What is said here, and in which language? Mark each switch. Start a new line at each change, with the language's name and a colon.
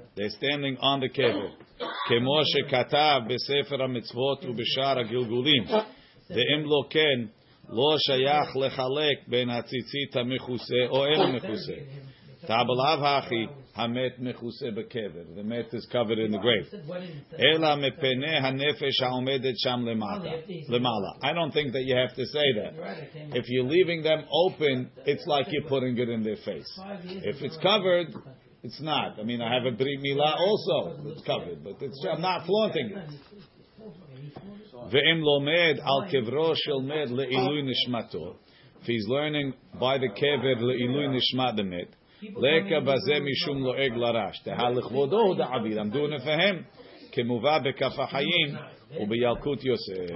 English: They're standing on the
Hebrew: קבר. כמו שכתב בספר המצוות ובשאר הגלגולים. ואם לא כן, לא שייך לחלק בין הציצית המכוסה או אין המכוסה. תבלב האחי, המת מכוסה בקבר.
English: The met is covered in the grave.
Hebrew: אלא מפנה הנפש העומדת שם למעלה.
English: I don't think that you have to say that. If you're leaving them open, it's like you're putting it in their face. If it's covered, it's not. I mean, I have a brit milah also. It's covered, but it's, I'm not flaunting it.
Hebrew: ואם לומד על קברו של מת לעילוי נשמתו,
English: if he's learning by the
Hebrew: קבר לעילוי נשמת המת, לקה בזה משום לועג לרש. תהה לכבודו הוא דעביד.
English: I'm doing it for him.
Hebrew: כמובא בכף החיים ובילקוט יוסף.